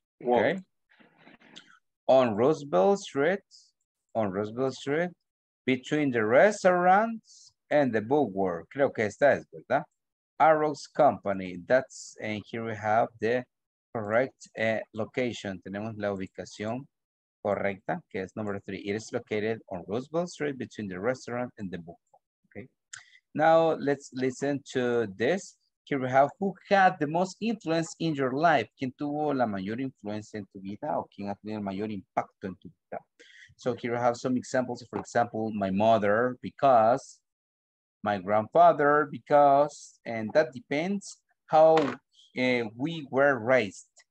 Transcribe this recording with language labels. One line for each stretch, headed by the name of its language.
English: Okay. On Roosevelt Street. On Roosevelt Street. Between the restaurants and the Woodward.
Spanish: Creo que esta es, ¿verdad? Arrows Company.
English: That's, and here we have the correct location.
Spanish: Tenemos la ubicación correcta, que es
English: number three. It is located on Roosevelt Street between the restaurant and the book. Okay. Now let's listen to this. Here we have who had the most influence in your life.
Spanish: ¿Quién tuvo la mayor influencia en tu vida o quién ha tenido el mayor impacto en tu vida?
English: So here we have some examples. For example, my mother, because, my grandfather, because, and that depends how we were raised.